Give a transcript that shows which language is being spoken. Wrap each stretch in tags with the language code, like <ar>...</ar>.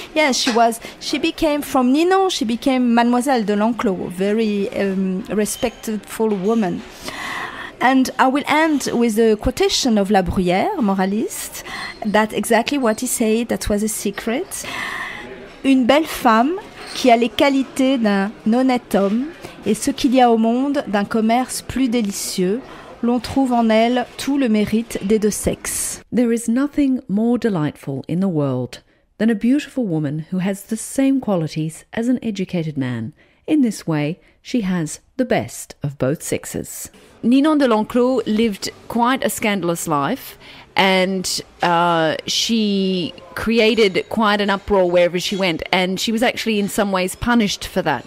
<en>Yeah, she became Mademoiselle de l'Enclos, very respectful woman. And I will end with a quotation of La Bruyère, moralist, that exactly what he said, that was a secret.</en> <fr>Une belle femme qui a les qualités d'un honnête homme et ce qu'il y a au monde d'un commerce plus délicieux, l'on trouve en elle tout le mérite des deux sexes.</fr> <en>There is nothing more delightful in the world than a beautiful woman who has the same qualities as an educated man. In this way, she has the best of both sexes. Ninon de l'Enclos lived quite a scandalous life, and she created quite an uproar wherever she went, and she was actually in some ways punished for that.</en>